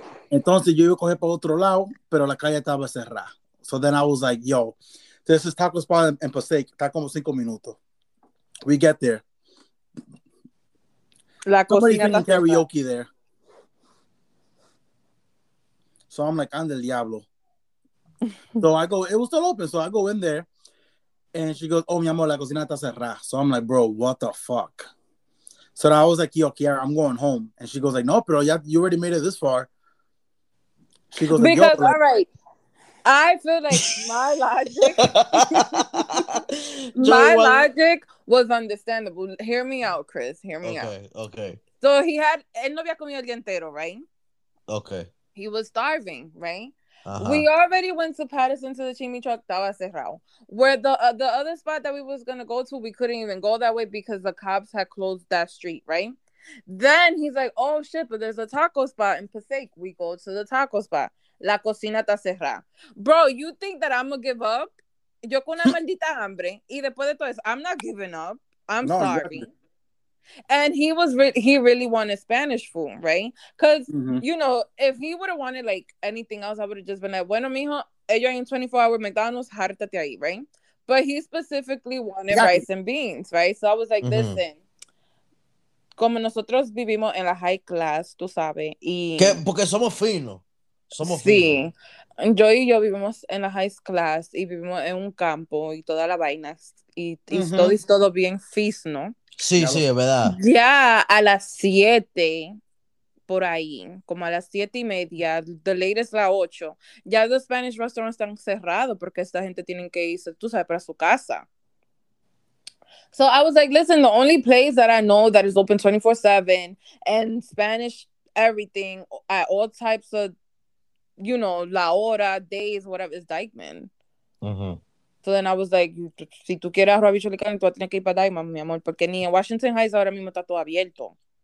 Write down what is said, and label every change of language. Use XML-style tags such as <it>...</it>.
<es>Entonces, yo iba a coger para otro lado, pero la calle estaba cerrada.</es> <en>So, then I was like, yo, this is Taco Spot in Passaic.</en> <es>Está como 5 minutos.</es> <en>We get there.</en> <es>La cocina está karaoke está there.</es> <en>So I'm like, I'm the diablo. So I go, it was still open. So I go in there and she goes, oh,</en> <es>mi amor, la cocina está cerrada.</es> <en>So I'm like, bro, what the fuck? So I was like, yo, Kiara, I'm going home. And she goes like,</en> <es>no, pero ya,</es> <en>you already made it this far. She goes, because, like, yo, all right, I feel like my logic was understandable. Hear me out, Chris. Okay. So he had,</en> <es>él no había comido el día entero,</es> <en>right? Okay. He was starving, right? Uh-huh. We already went to Patterson to the chimney truck.</en> <es>Estaba cerrado.</es> <en>Where the other spot that we was going to go to, we couldn't even go that way because the cops had closed that street, right? Then he's like, oh, shit, but there's a taco spot in Passaic. We go to the taco spot.</en> <es>La cocina está cerrada.</es> <en>Bro, you think that I'm going to give up?</en> <es>Yo con una maldita hambre. Y después de todo eso,</es> <en>I'm not giving up. I'm no, starving. Yeah. And he was he really wanted Spanish food, right? Because, mm-hmm. You know, if he would have wanted, like, anything else, I would have just been like,</en> <es>bueno, mijo, ellos en 24-hour McDonald's, jártate ahí,</es> <en>right? But he specifically wanted rice and beans, right? So I was like, mm-hmm. Listen,</en> <es>como nosotros vivimos en la high class, tú sabes, y... ¿Qué? Porque somos finos. Yo y yo vivimos en la high class y vivimos en un campo y toda la vaina. Y mm-hmm. Todo es todo bien fino, ¿no? Sí, es verdad. Ya a las 7 por ahí, como a las 7:30,</es> <en>the latest</en> <es>la 8. Ya los Spanish restaurants están cerrados porque esta gente tiene que irse, tú sabes, para su casa.</es> <en>So I was like, listen, the only place that I know that is open 24/7 and Spanish everything at all types of, you know,</en> <es>la hora,</es> <en>days, whatever, is Dykeman.</en> <es>So then I was like, si tú quieres arroz habichuela y carne, tú vas a tener que ir para Dykeman, mi amor, porque ni en Washington Heights ahora mismo está todo abierto.</es>